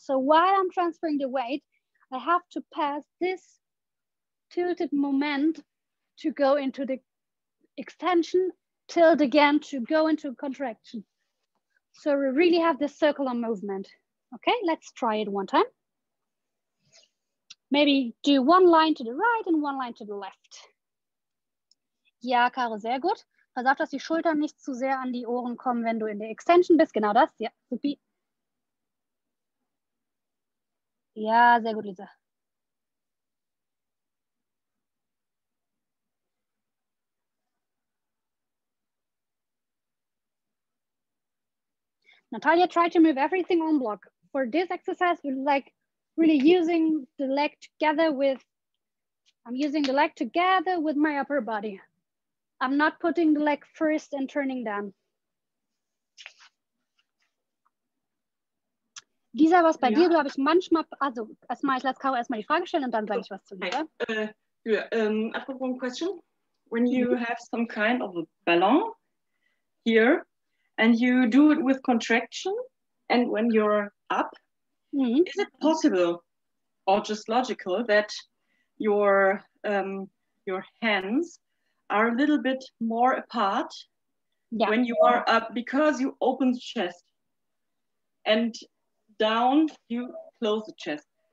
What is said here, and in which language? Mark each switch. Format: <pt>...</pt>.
<en>So while I'm transferring the weight, I have to pass this tilted moment to go into the extension, tilt again to go into contraction. So we really have this circular movement. Okay, let's try it one time. Maybe do one line to the right and one line to the left.</en> <de>Ja, Caro, sehr gut. Pass auf, dass die Schultern nicht zu sehr an die Ohren kommen, wenn du in der Extension bist. Genau das, ja. Supi. Ja, sehr gut, Lisa.</de> <en>Natalia, try to move everything on block. For this exercise, we like really using the leg together with, I'm using the leg together with my upper body. I'm not putting the leg first and turning down.</en> <de>Lisa, was bei dir, glaube ich, manchmal, also erstmal, ich lasse Caro erstmal die Frage stellen und dann sage ich was zu dir.</de> <en>I have one question. When you have some kind of a ballon here and you do it with contraction and when you're up, is it possible or just logical that your hands are a little bit more apart when you are up because you open the chest and down you close the chest?</en>